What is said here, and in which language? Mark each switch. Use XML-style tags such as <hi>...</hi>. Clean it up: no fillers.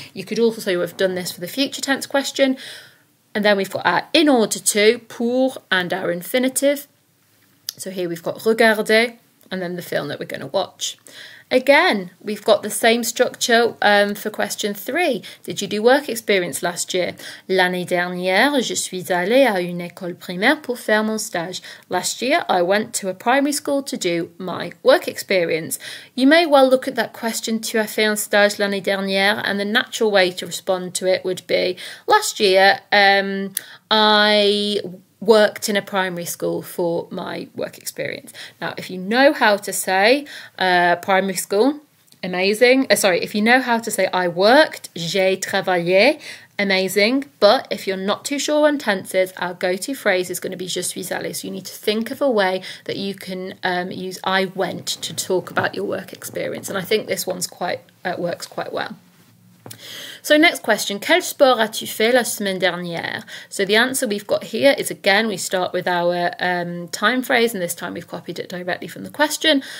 <en>You could also have done this for the future tense question. And then we've got our in order to, pour, and our infinitive. So here we've got regarder, and then the film that we're going to watch. Again, we've got the same structure for question three. Did you do work experience last year?</en> <fr>L'année dernière, je suis allée à une école primaire pour faire mon stage.</fr> <en>Last year, I went to a primary school to do my work experience. You may well look at that question,</en> <fr>tu as fait un stage l'année dernière,</fr> <en>and the natural way to respond to it would be, last year, I worked in a primary school for my work experience. Now, if you know how to say primary school, amazing. If you know how to say I worked,</en> <fr>j'ai travaillé,</fr> <en>amazing. But if you're not too sure on tenses, our go-to phrase is going to be</en> <fr>je suis allé.</fr> <en>So you need to think of a way that you can use I went to talk about your work experience. And I think this one works quite well. So next question,</en> <fr>quel sport as-tu fait la semaine dernière?</fr> <en>So the answer we've got here is, again, we start with our time phrase, and this time we've copied it directly from the question.</en>